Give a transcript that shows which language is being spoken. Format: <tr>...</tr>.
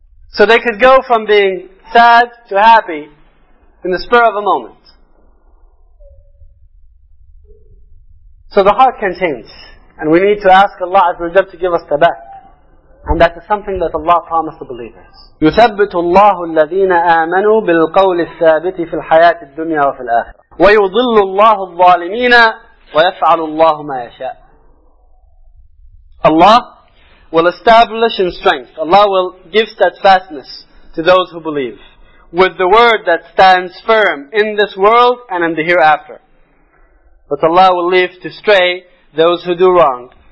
<en>So they could go from being sad to happy in the spur of a moment. So the heart can change. And we need to ask Allah Azza wa Jalla to give us tabat. And that is something that Allah promised the believers.</en> <ar>يثبت الله الذين آمنوا بالقول الثابت في الحياة الدنيا وفي الآخرة. ويضل الله الظالمين ويفعل الله ما يشاء.</ar> <en>Allah will establish in strength. Allah will give steadfastness to those who believe with the word that stands firm in this world and in the hereafter. But Allah will leave to stray those who do wrong.</en>